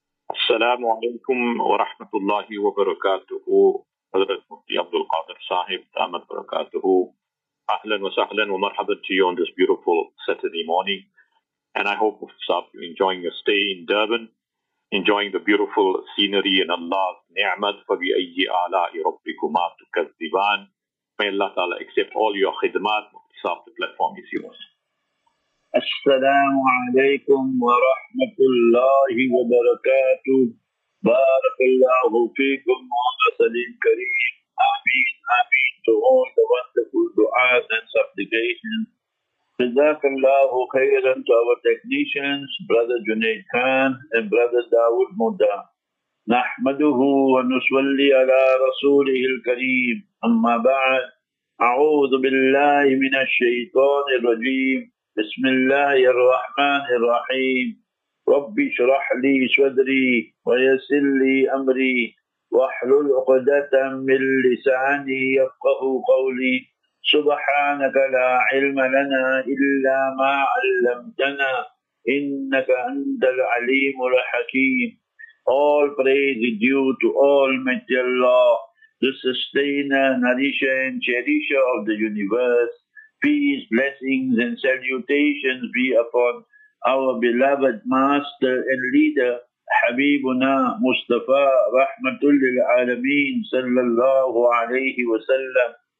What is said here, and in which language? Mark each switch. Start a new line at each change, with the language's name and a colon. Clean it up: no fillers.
Arabic: السلام عليكم ورحمة الله وبركاته. حضرة المفتي عبد القادر صاحب دامت بركاته.
English: أهلا وسهلا ومرحبا to you on this beautiful Saturday morning. And I hope you're enjoying your stay in Durban, enjoying the beautiful scenery and Allah's ni'mat.
Arabic: فبأي آلاء ربكما تكذبان.
English: May Allah Ta'ala accept all your khidmat. Mufti Saab, the platform is yours.
Arabic: السلام عليكم ورحمة الله وبركاته. بارك الله فيكم وعلى سليم كريم.
English: آمين آمين to all the wonderful du'as and supplications. جزاك الله خيرا to our technicians, brother Junaid Khan and brother Dawood Muda.
Arabic: نحمده ونصلي على رسوله الكريم. أما بعد, أعوذ بالله من الشيطان الرجيم. بسم الله الرحمن الرحيم. رب اشرح لي صدري ويسر لي امري واحلل عقدة من لساني يفقه قولي. سبحانك لا علم لنا الا ما علمتنا انك انت العليم الحكيم.
English: All praise is due to Almighty Allah, the sustainer, nourisher and cherisher of the universe. Peace, blessings and salutations be upon our beloved master and leader, Habibuna Mustafa Rahmatul Lil Alameen Sallallahu Alaihi Wasallam.